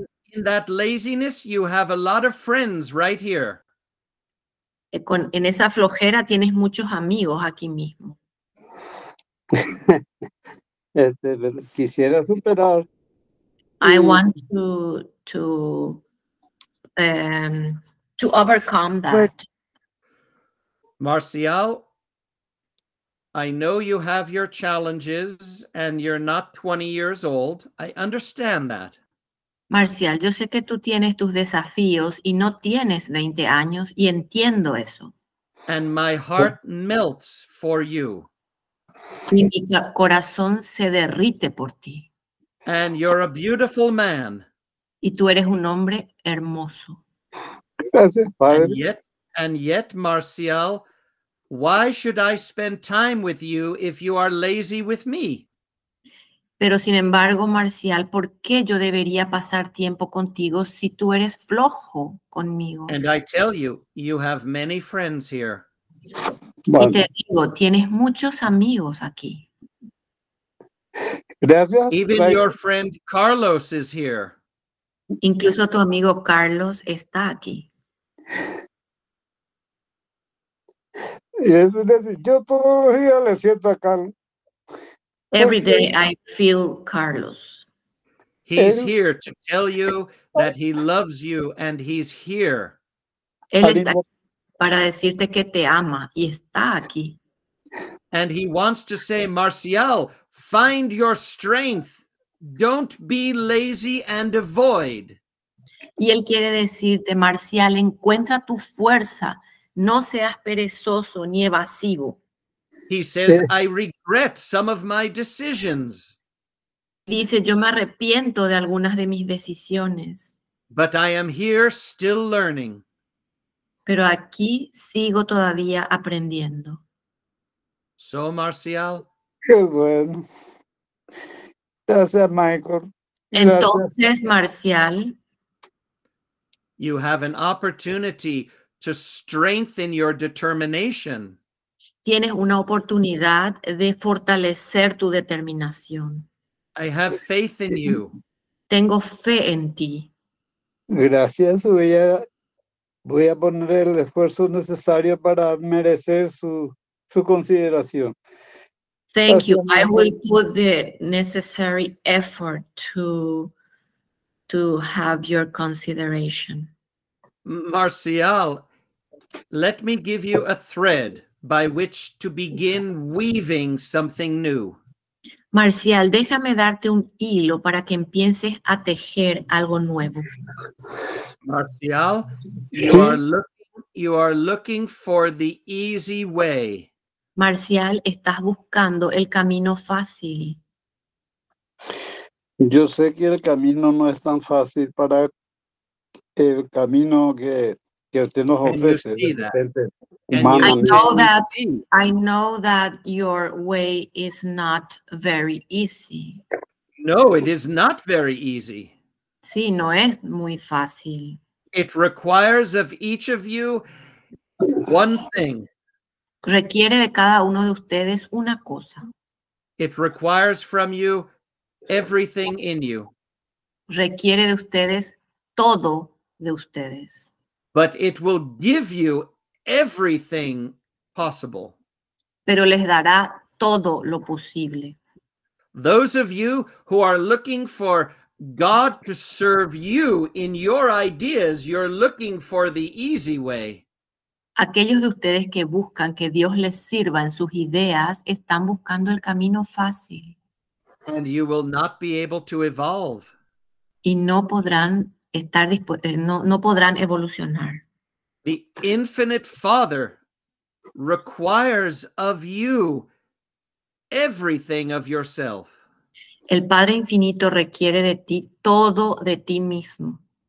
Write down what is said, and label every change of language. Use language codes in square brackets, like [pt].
[en] In that laziness, you have a lot of friends right here. [es] En esa flojera tienes muchos amigos aquí mismo. Quisiera superar. [en] I want to overcome that. Marcial, I know you have your challenges and you're not 20 years old. I understand that. [es] Marcial, yo sé que tú tienes tus desafíos y no tienes 20 años y entiendo eso. [en] And my heart melts for you. [es] Y mi corazón se derrite por ti. [en] And you're a beautiful man. [es] Y tú eres un hombre hermoso. Gracias, padre. [en] And yet, Marcial, why should I spend time with you if you are lazy with me? [es] Pero sin embargo, Marcial, ¿por qué yo debería pasar tiempo contigo si tú eres flojo conmigo? [en] And I tell you, you have many friends here. [es] Y te digo, tienes muchos amigos aquí. Gracias. [en] Even your friend Carlos is here. [es] Incluso tu amigo Carlos está aquí. Es decir, yo todos los días le siento a Carlos. [en] Every day I feel Carlos. He's here to tell you that he loves you and he's here. [es] Él está aquí para decirte que te ama y está aquí. [en] And he wants to say, Marcial, find your strength. Don't be lazy and avoid. [es] Y él quiere decirte, Marcial, encuentra tu fuerza. No seas perezoso ni evasivo. [en] He says, I regret some of my decisions. [es] Dice, yo me arrepiento de algunas de mis decisiones. [en] But I am here still learning. [es] Pero aquí sigo todavía aprendiendo. [en] So, Marcial. [es] Qué bueno. Gracias, Michael. Entonces, gracias. Marcial. [en] You have an opportunity to strengthen your determination. [es] Tienes una oportunidad de fortalecer tu determinación. [en] I have faith in you. [es] Tengo fe en ti. Gracias. Voy a poner el esfuerzo necesario para merecer su consideración. [en] Thank you. I will put the necessary effort to have your consideration. Marcial, let me give you a thread by which to begin weaving something new. [es] Marcial, déjame darte un hilo para que empieces a tejer algo nuevo. [en] Marcial, you are looking for the easy way. [es] Marcial, estás buscando el camino fácil. Yo sé que el camino no es tan fácil para el camino que usted nos ofrece. [en] I know that your way is not very easy. No, it is not very easy. [es] Sí, no es muy fácil. [en] It requires of each of you one thing. [es] Requiere de cada uno de ustedes una cosa. [en] It requires from you everything in you. [es] Requiere de ustedes todo de ustedes. [en] But it will give you everything possible. [es] Pero les dará todo lo posible. [en] Those of you who are looking for God to serve you in your ideas, you're looking for the easy way. [es] Aquellos de ustedes que buscan que Dios les sirva en sus ideas están buscando el camino fácil. [en] And you will not be able to evolve. [es] Y no podrán estar podrán evolucionar. [en] The infinite Father requires of you everything of yourself. [es] El Padre Infinito requiere de ti todo de ti mismo.